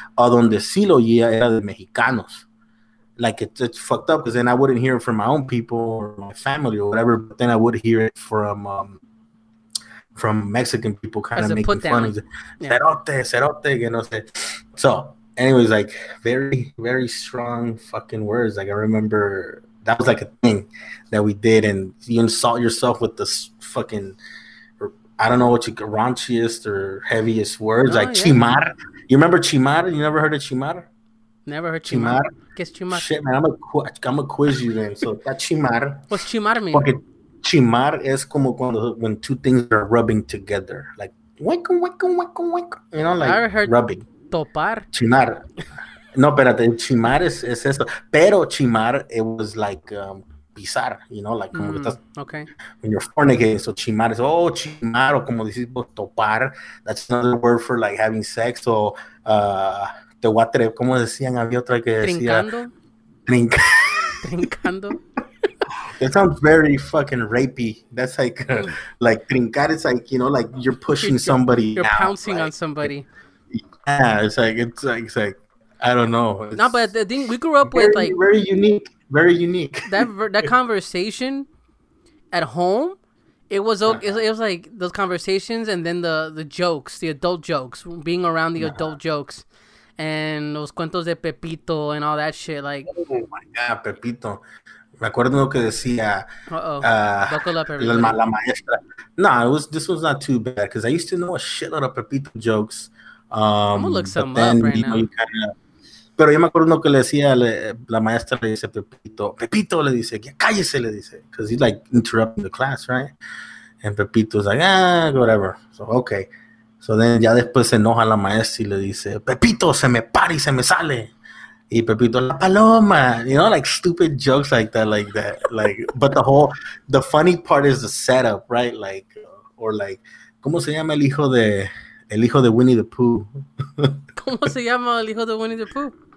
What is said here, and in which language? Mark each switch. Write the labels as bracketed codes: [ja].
[es] A donde sí lo oía era de Mexicanos. [en] Like, it's fucked up, because then I wouldn't hear it from my own people or my family or whatever, but then I would hear it from Mexican people kind of making fun of it. [es] Cerote, cerote, que no sé. [en] So, anyways, like, very, very strong fucking words. Like, I remember that was like a thing that we did, and you insult yourself with the fucking, I don't know what you, raunchiest or heaviest words, chimar. You remember chimar? You never heard of chimar? Never heard chimar. Guess chimar. Shit, man, I'm a quiz you then. So that chimar. What's chimar mean? Okay, chimar is como when two things are rubbing together, like wicko, wicko, wicko, wicko. You know, like, I heard rubbing. [es] Topar. Chimar. No, espérate, chimar es eso. Pero chimar, [en] it was like [es] pisar, [en] you know, like, [es] como que estás, [en] okay, when you're fornicating. So chimar is, oh, chimar, [es] o como decís vos, topar. [en] That's another word for, like, having sex. [es] O te voy a atrever, como decían, había otra que decía. Trincando. [en] That sounds very fucking rapey. That's like, like, trincar is like, you know, like, you're pushing somebody. You're out, pouncing, like, on somebody. Yeah, it's like, I don't know. No, but the thing we grew up with, like, very unique, very unique. That conversation at home, it was okay. It was like those conversations, and then the jokes, the adult jokes, being around the adult jokes, and those [es] cuentos de Pepito [en] and all that shit. Like, oh my god, [es] Pepito. Me acuerdo que decía, [en] buckle up, everybody. [es] La maestra. [en] No, this was not too bad, because I used to know a shitlot of Pepito jokes. I'm gonna look something up right now. [es] Pero yo me acuerdo que le decía, la maestra le dice, Pepito le dice, cállese, le dice. [en] Because he's like interrupting the class, right? And Pepito's like, whatever. So, okay. So then [es] ya después se enoja la maestra y le dice, Pepito, se me para y se me sale. Y Pepito, la paloma. [en] You know, like, stupid jokes like that. Like, but the funny part is the setup, right? Like, or like, [es] ¿cómo se llama el hijo de Winnie the Pooh? ¿Cómo se llama el hijo de Winnie the Pooh?